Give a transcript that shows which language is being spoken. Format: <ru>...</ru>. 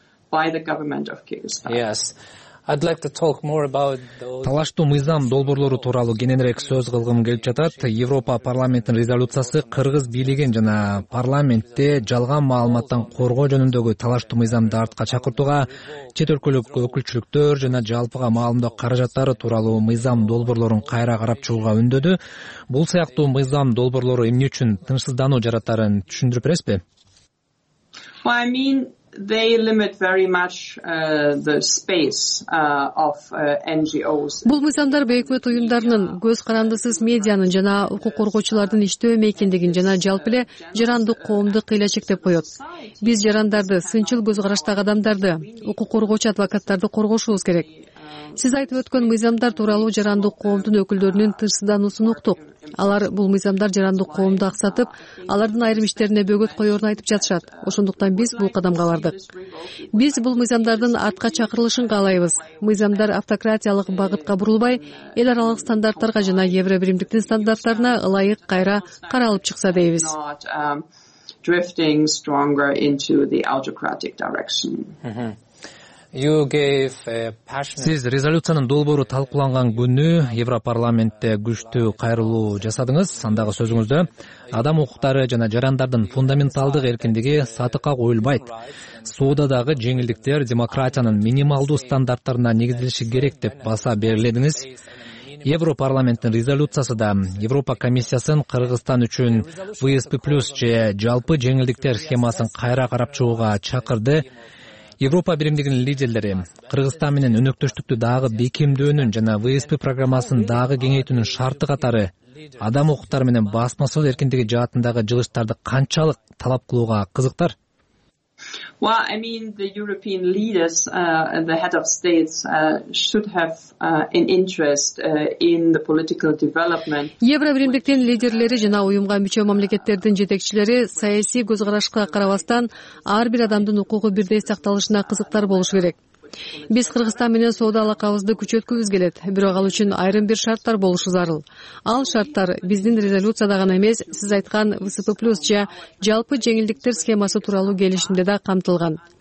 <en>By the government of Kyrgyzstan. Yes. I'd like to talk more about those</en> <ky>талаштуу мыйзам долбоорлору тууралуу кененирээк сөз кылгым келип жатат. Европа парламенттин резолюциясы кыргыз бийлигин жана парламентте жалган маалыматтан коргоо жөнүндөгү талаштуу мыйзамды артка чакыртууга, чет өлкөлүк өкүлчүлүктөр жана жалпыга маалымдоо каражаттары тууралуу мыйзам долбоорлорун кайра карап чыгууга үндөдү. Бул сыяктуу мыйзам долбоорлору эмне үчүн тынчсыздануу жаратарын түшүндүрүп бересизби?</ky> <en>Well, I mean, they limit very much the space of NGOs.</en> <ky>Бул мыйзамдар бейөкмөт уюмдарынын, көз карандысыз медианын жана укук коргоочулардын иштөө мейкиндигин жана жалпы эле жарандык коомду кыйлачектеп коет. Биз жарандарды, сынчыл көз караштагы адамдарды, укук коргоочу адвокаттарды коргошубуз керек. Сиз айтып өткөн мыйзамдар тууралуу жарандык коомдун өкүлдөрүнүн тынчсыздануусун уктук. Алар бул мыйзамдар жарандык коомду аксатып, алардын айрым иштерине бөгөт коерун айтып жатышат. Ошондуктан биз бул кадамга бардык. Биз бул мыйзамдардын артка чакырылышын каалайбыз. Мыйзамдар автократиялык багытка бурулбай, эл аралык стандарттарга жана Евробиримдиктин стандарттарына ылайык кайра каралып чыкса дейбиз.</ky> <en>Drifting stronger into the autocratic direction.</en> <ky>Сиз резолюциянын долбоору талкууланган күнү Европарламентте күчтүү кайрылуу жасадыңыз. Андагы сөзүңүздө адам укуктары жана жарандардын фундаменталдык эркиндиги сатыкка коюлбайт. Соодадагы жеңилдиктер демократиянын минималдуу стандарттарына негизделиши керек деп баса белгиледиңиз. Европарламенттин резолюциясы да Европа комиссиясын Кыргызстан үчүн ВСП плюс же жалпы жеңилдиктер схемасын кайра карап чыгууга чакырды. Европа биримдигинин лидерлери Кыргызстан менен өнөктөштүктү дагы бекемдөөнүн жана ВСП программасын дагы кеңейтүүнүн шарты катары адам укуктары менен басма сөз эркиндиги жаатындагы жылыштарды канчалык талап кылууга кызыктар?</ky> <en>Well, I mean, the European leaders and the head of states should have an interest in the political development.</en> <ky>Евробиримдиктин лидерлери жана уюмга мүчө мамлекеттердин жетекчилери саясий көз карашка карабастан ар бир адамдын укугу бирдей сакталышына кызыктар болушу керек. Биз Кыргызстан менен соода алакабызды күчөткүбүз келет, бирок ал үчүн айрым бир шарттар болушу зарыл. Ал шарттар биздин резолюцияда гана эмес, сиз айткан ВСП плюс же жалпы жеңилдиктер схемасы тууралуу келишимде да камтылган.</ky>